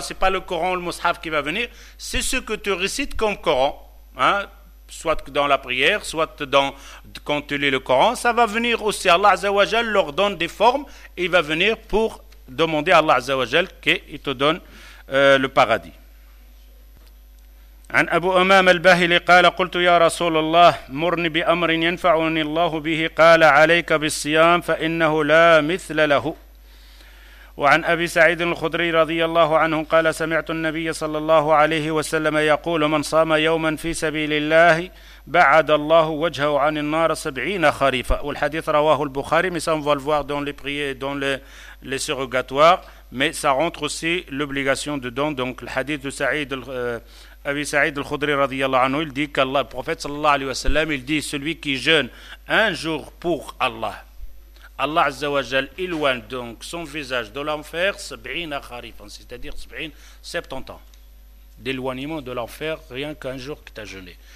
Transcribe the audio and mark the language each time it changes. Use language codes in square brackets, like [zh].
[fr] C'est pas le Coran ou le mushaf qui va venir. C'est ce que tu récites comme Coran. Hein? Soit dans la prière, soit quand tu lis le Coran, ça va venir aussi. Allah Azzawajal leur donne des formes et il va venir pour demander à Allah Azzawajal qu'il te donne le paradis. [ar] عن أبو أمام الباهلي قال قلت يا رسول الله مرني بأمر ينفعني الله به قال عليك بالصيام فإنه لا مثل له. وعن أبي سعيد الخدري رضي الله عنه قال سمعت النبي صلى الله عليه وسلم يقول من صام يوما في سبيل الله بعد الله وجهه عن النار 70 خريفا. والحديث رواه البخاري. [fr] Mais ça on va le voir dans les prières, dans les surrogatoires, mais ça rentre aussi l'obligation de don. Donc le hadith de Saïd Abi Saïd al-Khudri [ar] رضي الله عنه, [fr] il dit qu'Allah, le prophète [ar] صلى الله عليه وسلم, [fr] il dit celui qui jeûne un jour pour Allah, Allah Azza wa Jal éloigne donc son visage de l'enfer 70 kharifan, c'est-à-dire 70 ans d'éloignement de l'enfer rien qu'un jour que tu as jeûné.